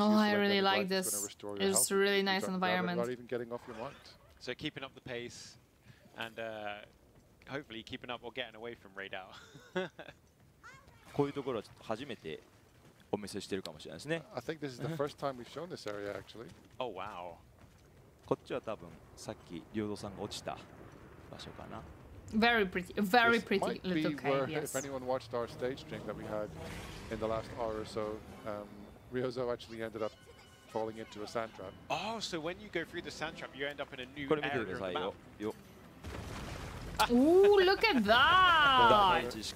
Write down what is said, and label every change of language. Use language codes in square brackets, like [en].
[en] oh, I really like this. It's a really nice environment. Not even getting off your mount. So keeping up the pace and hopefully keeping up or getting away from Raidal. I think this is the first time we've shown this area actually. Oh wow. [ja] こっちは多分さっき領土さんが落ちた場所かな。 [en] Very pretty, very pretty little cave. This might be where, if anyone watched our stage stream that we had in the last hour or so, Ryozo actually ended up falling into a sand trap. Oh, so when you go through the sand trap, you end up in a new area of the map. Ooh, look at that!